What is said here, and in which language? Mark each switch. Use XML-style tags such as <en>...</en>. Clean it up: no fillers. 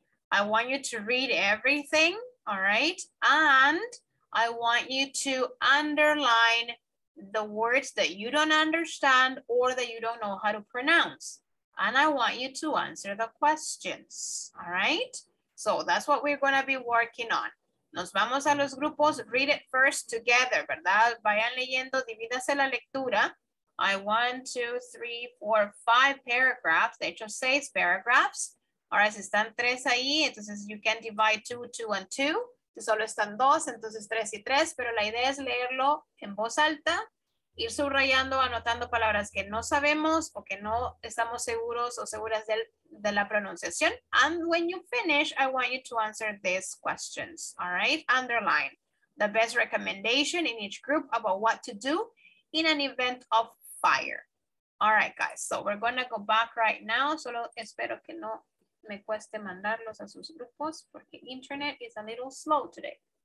<en>I want you to read everything. All right. And I want you to underline the words that you don't understand or that you don't know how to pronounce. And I want you to answer the questions, all right? So that's what we're gonna be working on.</en> <es>Nos vamos a los grupos,</es> <en>read it first together,</en> <es>¿verdad? Vayan leyendo, divídase la lectura.</es> <en>I want 2, 3, 4, 5 paragraphs,</en> <es>de hecho 6 paragraphs. Ahora si están 3 ahí, entonces</es> <en>you can divide 2, 2, and 2.</en> <es>Si solo están 2, entonces 3 y 3, pero la idea es leerlo en voz alta, ir subrayando, anotando palabras que no sabemos o que no estamos seguros o seguras de la pronunciación.</es> <en>And when you finish, I want you to answer these questions, all right? Underline the best recommendation in each group about what to do in an event of fire. All right, guys, so we're going to go back right now.</en> <es>Solo espero que no me cueste mandarlos a sus grupos porque</es> <en>internet is a little slow today.</en>